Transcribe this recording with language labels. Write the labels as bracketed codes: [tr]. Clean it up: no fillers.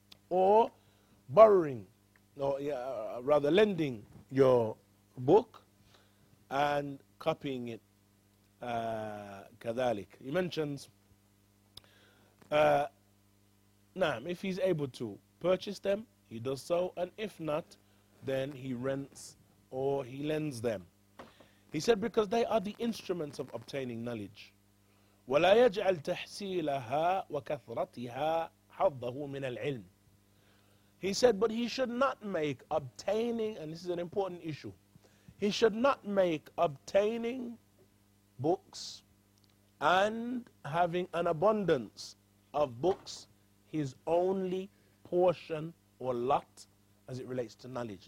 [en] Or borrowing, or rather lending your book and copying it كذلك. He mentions if he's able to purchase them, he does so, and if not, then he rents or he lends them. He said because they are the instruments of obtaining knowledge. [ar] ولا يجعل تحصيلها وكثرتها حظه من العلم. [en] He said, but he should not make obtaining, and this is an important issue, he should not make obtaining books and having an abundance of books his only portion or lot as it relates to knowledge.